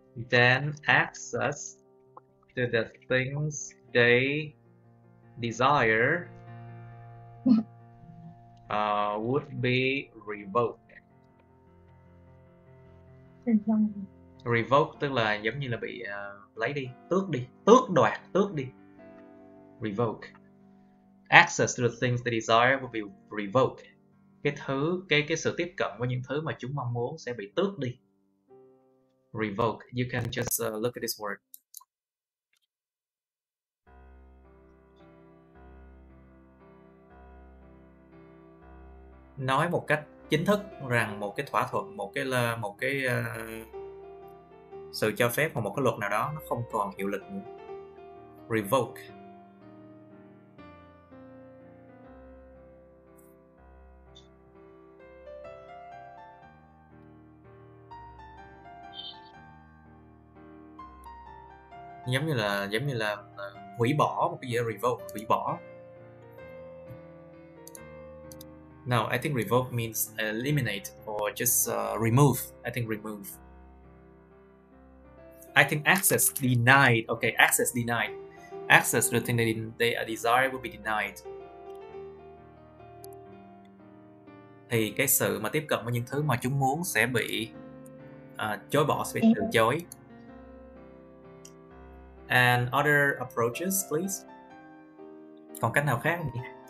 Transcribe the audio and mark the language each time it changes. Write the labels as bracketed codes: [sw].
[en] Then access to the things they desire would be revoked, [vi] tức là giống như là bị lấy đi, tước đi, tước đoạt, tước đi. [en] Revoke access to the things they desire would be revoked. [vi] Cái sự tiếp cận với những thứ mà chúng mong muốn sẽ bị tước đi. Revoke. [en] You can just look at this word. [vi] Nói một cách chính thức rằng một cái thỏa thuận, một cái sự cho phép hoặc một cái luật nào đó nó không còn hiệu lực nữa. Revoke. Giống như là hủy bỏ một cái gì đó, revoke, hủy bỏ. [en] No, I think revoke means eliminate or just remove. I think remove. I think access denied. Okay, access denied. Access to the thing they desire will be denied. [vi] Thì cái sự mà tiếp cận với những thứ mà chúng muốn sẽ bị chối bỏ, sẽ bị từ chối. [en] And other approaches, please. [vi] Còn cách nào khác không nhỉ?